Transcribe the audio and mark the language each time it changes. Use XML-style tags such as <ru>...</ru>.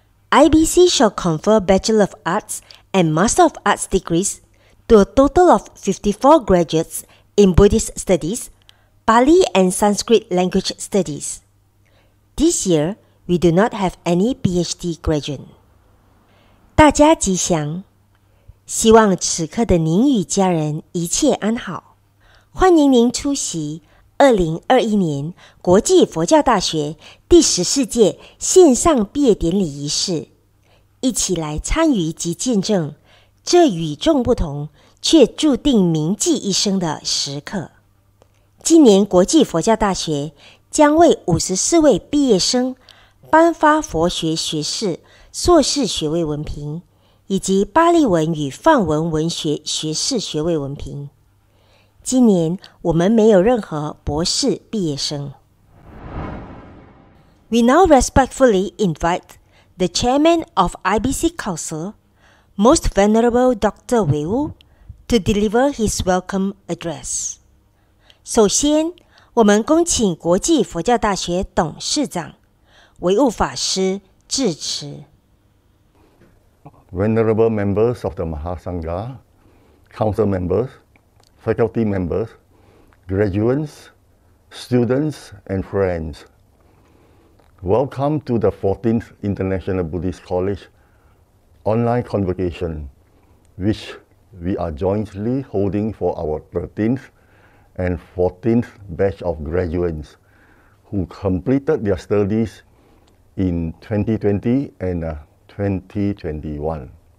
<en>IBC shall confer Bachelor of Arts and Master of Arts degrees to a total of 54 graduates in Buddhist Studies, Pali and Sanskrit Language Studies. This year, we do not have any PhD graduate.</en> <zh>大家吉祥，希望此刻的您与家人一切安好。欢迎您出席2021年国际佛教大学第十四届线上毕业典礼仪式，一起来参与及见证这与众不同却注定铭记一生的时刻。今年国际佛教大学将为54位毕业生颁发佛学学士、硕士学位文凭，以及巴利文与梵文文学学士学位文凭。今年我们没有任何博士毕业生。</zh> <en>We now respectfully invite the Chairman of IBC Council, Most Venerable Dr. Wei Wu, to deliver his welcome address.</en> <zh>首先，我们恭请国际佛教大学董事长维悟法师致辞。</zh> <en>Venerable members of the Mahasangha, council members, faculty members, graduates, students, and friends, welcome to the 14th International Buddhist College online convocation, which we are jointly holding for our 13th and 14th batch of graduates who completed their studies in 2020 and 2021.</en>